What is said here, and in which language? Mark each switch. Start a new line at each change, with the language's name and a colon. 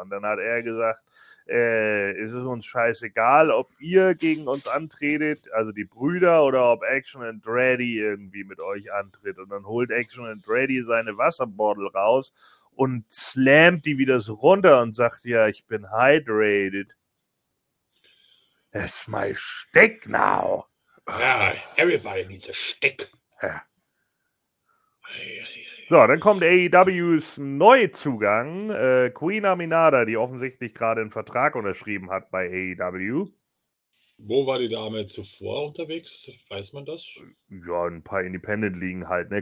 German: Und dann hat er gesagt, es ist uns scheißegal, ob ihr gegen uns antretet, also die Brüder, oder ob Action and Ready irgendwie mit euch antritt. Und dann holt Action and Ready seine Wasserbottle raus und slammt die wieder so runter und sagt, ja, ich bin hydrated. Es ist mein Steck now.
English: Ja, everybody needs a stick.
German: Ja. So, dann kommt AEWs Neuzugang, Queen Aminada, die offensichtlich gerade einen Vertrag unterschrieben hat bei AEW. Wo war die Dame zuvor unterwegs? Weiß man das? Ja, ein paar Independent-Ligen halt, ne?